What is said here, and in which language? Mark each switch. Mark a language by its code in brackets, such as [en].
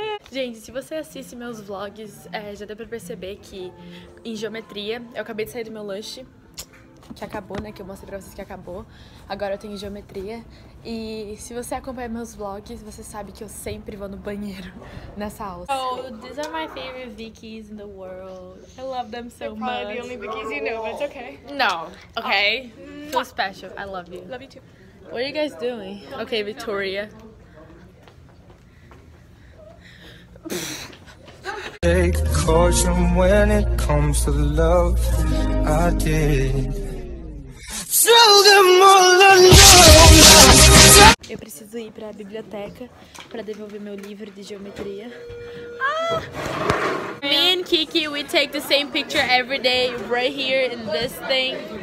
[pt] Gente, se você assiste meus vlogs, já deu pra perceber que em geometria, eu acabei de sair do meu lanche, que acabou, né, que eu mostrei pra vocês que acabou. Agora eu tenho geometria. E se você acompanha meus vlogs, você sabe que eu sempre vou no banheiro nessa aula. [en] Oh, these are my favorite Vickies in the world. I love them so much. They're probably the only Vickies you know, but it's okay. No, okay. Oh. So special. I love you. Love you too. What are you guys doing? Okay, Victoria. Take caution when it comes to love. I did. [pt] Eu preciso ir pra biblioteca pra devolver meu livro de geometria. Ah! [en] Me and Kiki, we take the same picture every day, right here in this thing.